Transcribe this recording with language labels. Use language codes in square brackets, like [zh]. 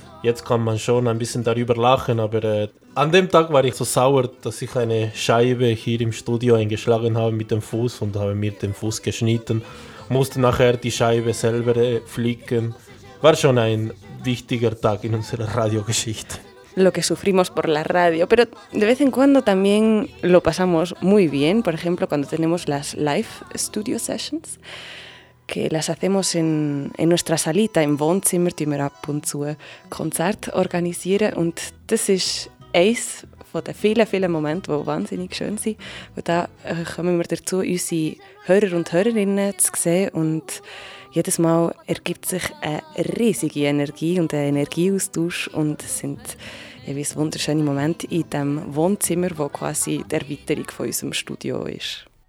[de] Jetzt kann man schon ein bisschen darüber lachen, aber an dem Tag war ich so sauer, dass ich eine Scheibe hier im Studio eingeschlagen habe mit dem Fuß und habe mir den Fuß geschnitten. Musste nachher die Scheibe selber flicken. War schon ein wichtiger Tag in unserer Radiogeschichte. [es] Lo que sufrimos por la radio, pero de vez en cuando también lo pasamos muy bien, por ejemplo, cuando tenemos las [en] live studio sessions, [es] que las hacemos en nuestra salita, [de] im Wohnzimmer, die wir ab und zu Konzerte organisieren. Und das ist eins von den vielen, vielen Momenten, die wahnsinnig schön sind. Und da kommen wir dazu, unsere Hörer und Hörerinnen zu sehen. Und jedes Mal ergibt sich eine riesige Energie und ein Energieaustausch. Und es sind jeweils wunderschöne Momente in diesem Wohnzimmer, das quasi die Erweiterung von unserem Studio ist.